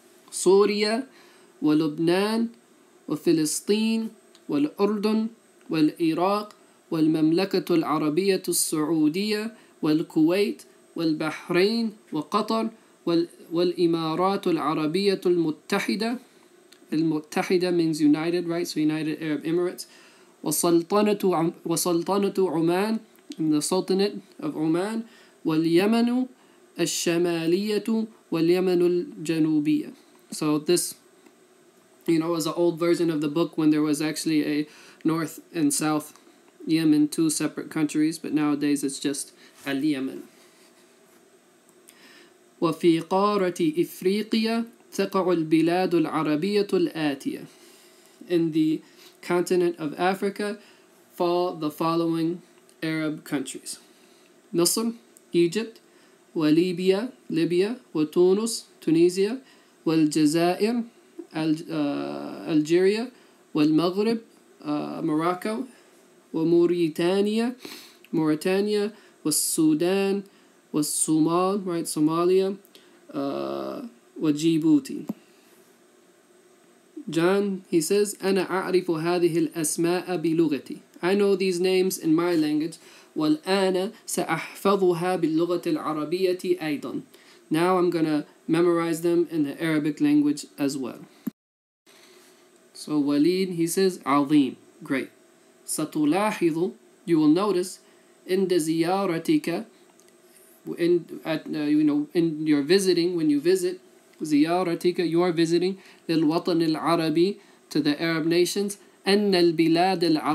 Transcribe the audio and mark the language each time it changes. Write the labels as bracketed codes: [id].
[ar] سوريا ولبنان وفلسطين والأردن والعراق والمملكة العربية السعودية والكويت والبحرين وقطر والإمارات العربية المتحدة المتحدة [en] means United, right? So United Arab Emirates. [ar] وسلطنة عمان [en] and the Sultanate of Oman. [ar] واليمن الشمالية واليمن الجنوبية. [en] So this, you know, was an old version of the book when there was actually a North and South Yemen, two separate countries, but nowadays it's just اليمن. [ar] وفي قارة إفريقيا تقع البلاد العربية الآتية. [en] In the continent of Africa fall the following Arab countries. [ar] مصر, Egypt, وليبيا, Libya, وتونس, Tunisia, والجزائر, Algeria, والمغرب, Morocco, وموريتانيا, موريتانيا, والسودان, والصومال, right, Somalia, وجيبوتي. [en] John, he says, [ar] أنا أعرف هذه الأسماء بلغتي. [en] I know these names in my language. [ar] والآن سأحفظها باللغة العربية أيضا. [en] Now I'm going to memorize them in the Arabic language as well. So Waleed, he says, [ar] عظيم. [en] Great. [ar] ستلاحظ, [en] you will notice, [ar] عند زيارتك [en] When you visit [ar] زيارتك, [en] you're visiting [ar] للوطن العربي [en] to the Arab nations [ar] أن البلاد